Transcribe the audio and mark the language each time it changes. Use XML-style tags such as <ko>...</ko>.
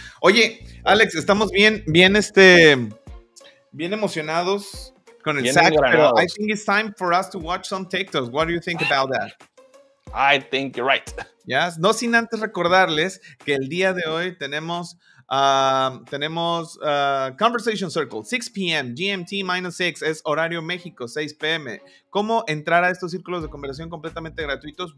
<es>Oye, Alex, estamos bien emocionados con el SAC.</es> <en>I think it's time for us to watch some TikToks. What do you think about that? I think you're right.</en> <es>Yes, no sin antes recordarles que el día de hoy tenemos...</es> <en>Conversation Circle, 6 p.m.</en> <es>GMT minus 6 es horario México, 6 p.m. ¿Cómo entrar a estos círculos de conversación completamente gratuitos?</es>